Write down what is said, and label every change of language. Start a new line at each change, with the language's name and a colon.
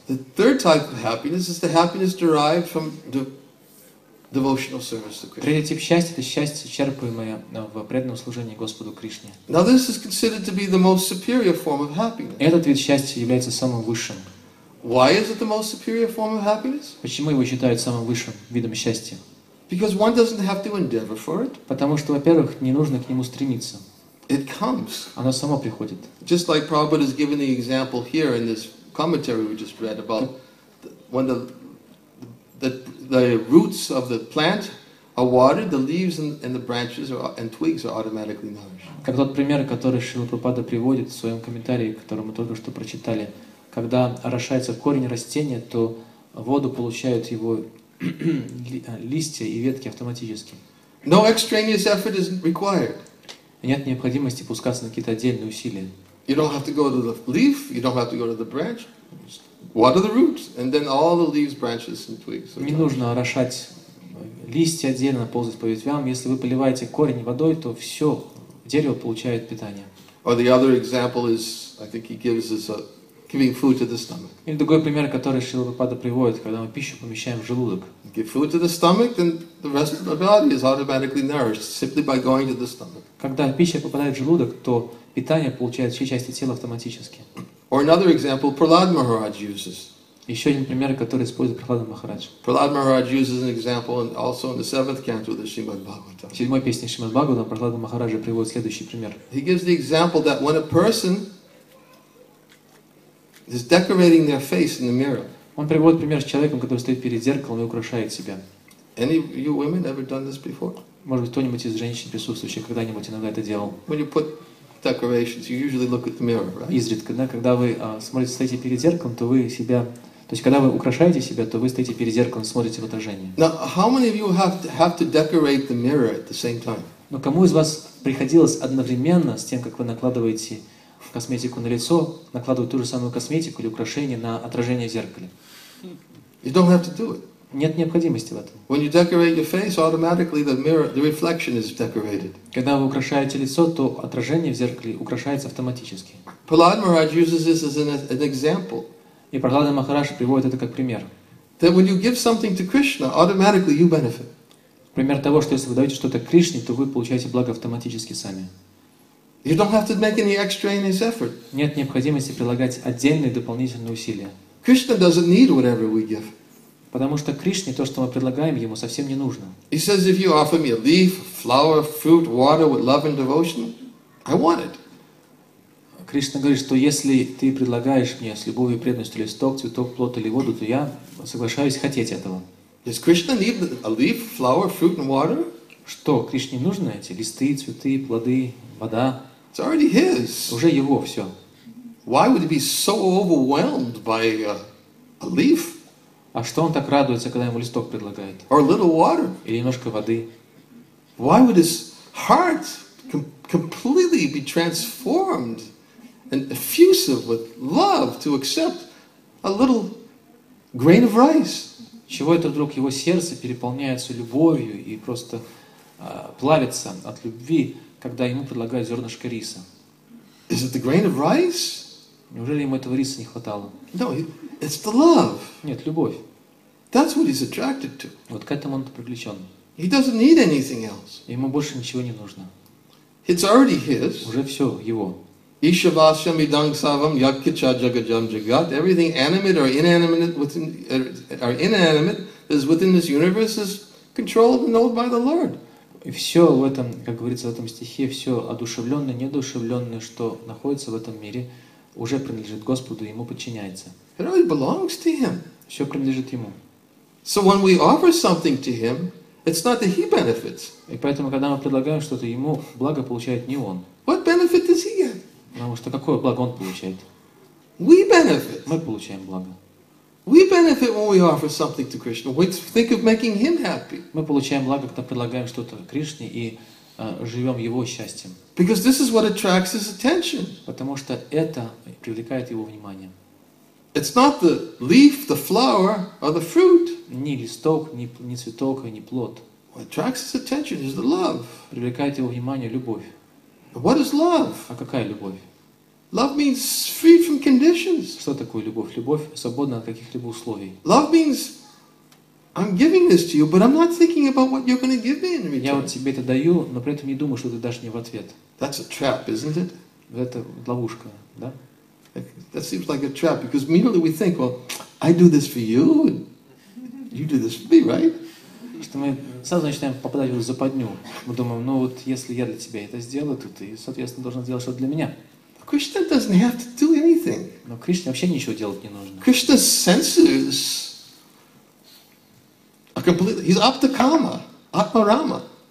English: The third type of happiness is the happiness derived from the devotional service to Krishna.
Russian: Третий тип счастья — это счастье, черпаемое в преданном служении Господу Кришне.
English: Now this is considered to be the most superior form of happiness.
Russian: Этот вид счастья является самым высшим.
English: Why is it the most superior form of happiness?
Russian: Почему его считают самым высшим видом счастья?
English: Because one doesn't have to endeavor for it.
Russian: Потому что, во-первых, не нужно к нему стремиться.
English: It comes.
Russian: Оно само приходит.
English: Just like Prabhupada has given the example here in this commentary we just read about when the roots of the plant are watered, the leaves and the branches and twigs are automatically nourished.
Russian: Как тот пример, который Шрила Прабхупада приводит в своем комментарии, который мы только что прочитали, когда орошается корень растения, то воду получают его листья и ветки автоматически.
English: No extraneous effort is required.
Russian: Нет необходимости пускаться на какие-то отдельные усилия.
English: You don't have to go to the leaf, you don't have to go to the branch. Water the roots, and then all the leaves, branches, and twigs.
Russian: Не нужно орошать листья отдельно, ползать по ветвям. Если вы поливаете корень водой, то все дерево получает питание.
English: Or the other example is, I think he gives us a giving food to the stomach.
Russian: Или другой пример, который Шрила Прабхупада приводит, когда мы пищу помещаем в желудок.
English: Give food to the stomach, then the rest of the body is automatically nourished simply by going to the stomach.
Russian: Когда пища попадает в желудок, то питание получает все части тела автоматически.
English: Or another example, Prahlad Maharaj uses.
Russian: Еще один пример, который использует Прахлад Махарадж.
English: Prahlad Maharaj uses an example and also in the seventh canto of the Shrimad Bhagavatam.
Russian: В седьмой песне Шримад Бхагаватам Прахлад Махарадж приводит следующий пример.
English: He gives the example that when a person is decorating their face in the mirror.
Russian: Он приводит пример с человеком, который стоит перед зеркалом и украшает себя.
English: Any of you women ever done this before?
Russian: Может быть, кто-нибудь из женщин присутствующих когда-нибудь иногда это делал?
English: When you put decorations, you usually look at the mirror, right?
Russian: Изредка, да, когда вы смотрите, стоите перед зеркалом, то вы себя, то есть, когда вы украшаете себя, то вы стоите перед зеркалом, смотрите в отражение.
English: Now, how many of you have to decorate the mirror at the same time?
Russian: Но кому из вас приходилось одновременно с тем, как вы накладываете косметику на лицо, накладывать ту же самую косметику или украшение на отражение в зеркале?
English: You don't have to do it.
Russian: Нет необходимости в этом.
English: When you decorate your face, automatically the mirror, the reflection is decorated.
Russian: Когда вы украшаете лицо, то отражение в зеркале украшается автоматически.
English: Prahlad Maharaj uses this as an example.
Russian: И Прохлада Махарадж приводит это как пример.
English: That when you give something to Krishna, automatically you benefit.
Russian: Пример того, что если вы даете что-то Кришне, то вы получаете благо автоматически сами.
English: You don't have to make any extraneous effort.
Russian: Нет необходимости прилагать отдельные дополнительные усилия.
English: Krishna doesn't need whatever we give.
Russian: Потому что Кришне то, что мы предлагаем ему, совсем не нужно.
English: He says, if you offer me a leaf, flower, fruit, water with love and devotion, I want it.
Russian: Кришна говорит, что если ты предлагаешь мне с любовью и преданностью листок, цветок, плод или воду, то я соглашаюсь хотеть этого.
English: Does Krishna need a leaf, flower, fruit and water?
Russian: Что, Кришне нужны эти листы, цветы, плоды, вода?
English: It's already his.
Russian: Уже его все.
English: Why would he be so overwhelmed by a leaf?
Russian: А что он так радуется, когда ему листок предлагают?
English: Or a little water?
Russian: Или немножко воды?
English: Why would his heart completely be transformed and effusive with love to accept a little grain of rice?
Russian: Чего это вдруг его сердце переполняется любовью и просто плавится от любви, когда ему предлагают зернышко риса?
English: Is it the grain of rice?
Russian: Неужели ему этого риса не хватало?
English: No, it's the love.
Russian: Нет, любовь.
English: That's what he's attracted to.
Russian: Вот к этому он привлечен.
English: He doesn't need anything else.
Russian: Ему больше ничего не нужно.
English: It's already his.
Russian: Уже все его.
Sanskrit: Ishavasyam idam savam yakkicha jagajam jagat.
English: Everything animate or inanimate within or inanimate is within this universe is controlled and known by the Lord.
Russian: И все в этом, как говорится в этом стихе, все одушевленное, неодушевленное, что находится в этом мире, уже принадлежит Господу и ему подчиняется.
English: It all belongs to him.
Russian: Все принадлежит ему.
English: So when we offer something to him, it's not that he benefits.
Russian: И поэтому, когда мы предлагаем что-то ему, благо получает не он.
English: What benefit does he get?
Russian: Потому что какое благо он получает?
English: We benefit.
Russian: Мы получаем благо.
English: We benefit when we offer something to Krishna. We think of making him happy.
Russian: Мы получаем благо, когда предлагаем что-то Кришне и живем его счастьем.
English: Because this is what attracts his attention.
Russian: Потому что это привлекает его внимание.
English: It's not the leaf, the flower, or the fruit.
Russian: Ни листок, ни цветок, ни плод.
English: What attracts his attention is the love.
Russian: Привлекает его внимание любовь.
English: What is love?
Russian: А какая любовь?
English: Love means free from conditions.
Russian: Что такое любовь? Любовь свободна от каких-либо условий.
English: Love means I'm giving this to you, but I'm not thinking about what you're going to give me in return.
Russian: Я вот тебе это даю, но при этом не думаю, что ты дашь мне в ответ.
English: That's a trap, isn't it?
Russian: Это ловушка, да?
English: That seems like a trap because merely we think, well, I do this for you, and you do this for me, right?
Russian: Что мы сразу начинаем попадать в западню. Мы думаем, ну вот если я для тебя это сделаю, то ты, соответственно, должен сделать что-то для меня.
English: Krishna doesn't have to do anything.
Russian: Но Кришне вообще ничего делать не нужно.
English: Krishna's senses are completely... He's aptakama, atmarama.